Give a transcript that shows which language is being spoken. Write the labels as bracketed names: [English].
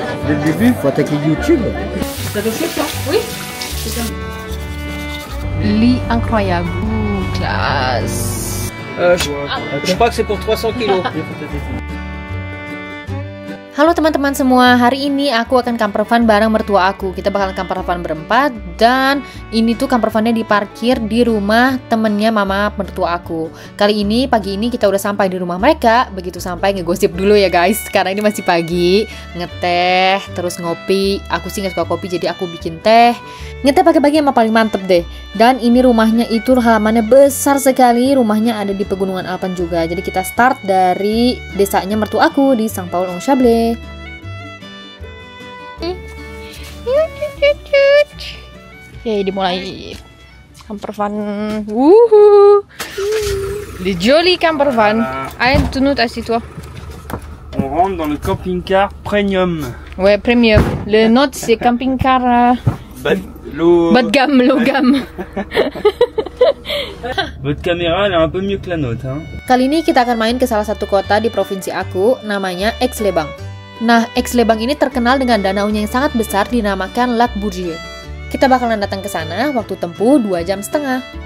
[French] Dès le début, faut attaquer YouTube. T'as de chute, toi? Oui. C'est un... Lit incroyable. Ouh, classe. Je crois que c'est pour 300 kilos. [Indonesian] Halo teman-teman semua, hari ini aku akan camper van bareng mertua aku. Kita bakalan camper van berempat dan ini tuh camper van-nya diparkir di rumah temennya mama mertua aku. Kali ini, pagi ini kita udah sampai di rumah mereka. Begitu sampai ngegosip dulu ya guys, karena ini masih pagi. Ngeteh, terus ngopi. Aku sih gak suka kopi, jadi aku bikin teh. Ngeteh pagi-pagi emang paling mantep deh. Dan ini rumahnya itu halamannya besar sekali. Rumahnya ada di Pegunungan Alpen juga. Jadi kita start dari desanya mertua aku di São Paulo, Ong Chablé. Oke, dimulai camper van. Wuhu. [French] Le joli camper van. Aïe, tu nous assieds-toi. On rentre dans le camping-car premium. Ouais, premium. Le nôtre, c'est camping-car bas de gamme, low gamme. Votre caméra elle est un peu mieux que la nôtre, hein. [Indonesian] Kali ini kita akan main ke salah satu kota di provinsi aku, namanya Aix-les-Bains. Nah, Aix-les-Bains ini terkenal dengan danaunya yang sangat besar dinamakan Lac Bourget. Kita bakalan datang ke sana, waktu tempuh 2 jam setengah.